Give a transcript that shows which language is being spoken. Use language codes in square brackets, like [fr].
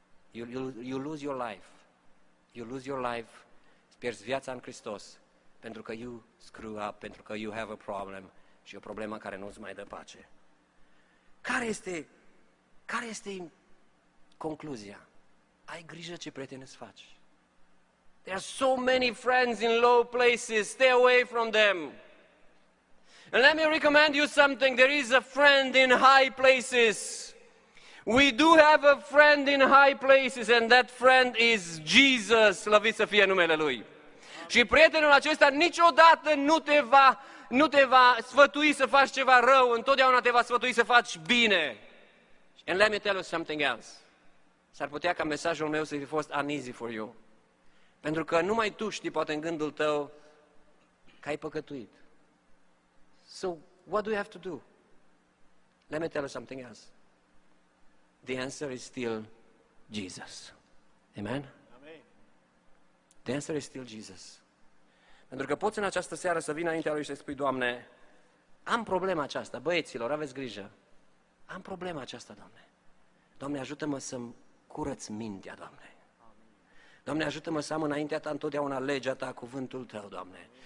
[en] You lose your life. You lose your life. [ro] Pierzi viața în Hristos pentru că [en] you screw up, [ro] pentru că [en] you have a problem [ro] și o problemă care nu-ți mai dă pace. Care este concluzia? Ai grijă ce prieteni îți faci. [en] There are so many friends in low places. Stay away from them. And let me recommend you something. There is a friend in high places. We do have a friend in high places and that friend is Jesus, [ro] slăvit să fie numele Lui. Și prietenul acesta niciodată nu te va sfătui să faci ceva rău, întotdeauna te va sfătui să faci bine. [en] And let me tell you something else. [ro] S-ar putea ca mesajul meu să fi fost [en] uneasy for you. [ro] Pentru că numai tu știi, poate în gândul tău, că ai păcătuit. [en] So, what do you have to do? Let me tell you something else. The answer is still Jesus. Amen? Amen. The answer is still Jesus. [ro] Pentru că poți în această seară să vii înaintea Lui și să spui, Doamne, am problema aceasta, băieților, aveți grijă. Am problema aceasta, Doamne. Doamne, ajută-mă să-mi curăț mintea, Doamne. Doamne, ajută-mă să am înaintea Ta întotdeauna legea Ta, cuvântul Tău, Doamne.